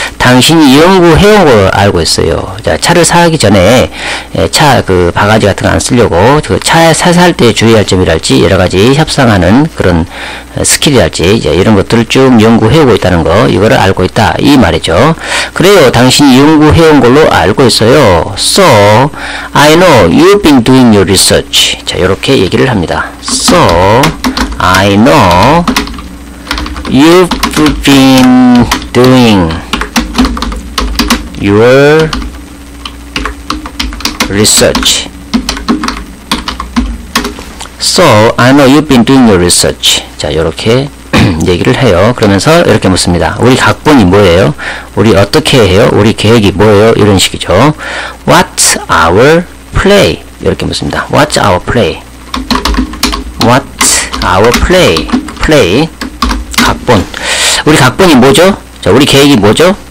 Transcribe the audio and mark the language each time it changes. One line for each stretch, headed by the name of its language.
Korean: 당신이 연구해온 걸 알고 있어요. 자, 차를 사기 전에 차 그 바가지 같은 거 안 쓰려고 그 차에 사살 때 주의할 점이랄지 여러 가지 협상하는 그런 스킬이랄지 이제 이런 것들을 쭉 연구해오고 있다는 거 이거를 알고 있다 이 말이죠. 그래요. 당신이 연구해온 걸로 알고 있어요.
English: So I know you've been doing your research.
Korean: 자, 이렇게 얘기를 합니다.
English: So I know you've been doing your research. So I know you've been doing your research.
Korean: 자, 이렇게 얘기를 해요. 그러면서 이렇게 묻습니다. 우리 각본이 뭐예요? 우리 어떻게 해요? 우리 계획이 뭐예요? 이런 식이죠.
English: What's our play?
Korean: 이렇게 묻습니다.
English: What's our play? Our play, play,
Korean: 각본. 우리 각본이 뭐죠? 자, 우리 계획이 뭐죠?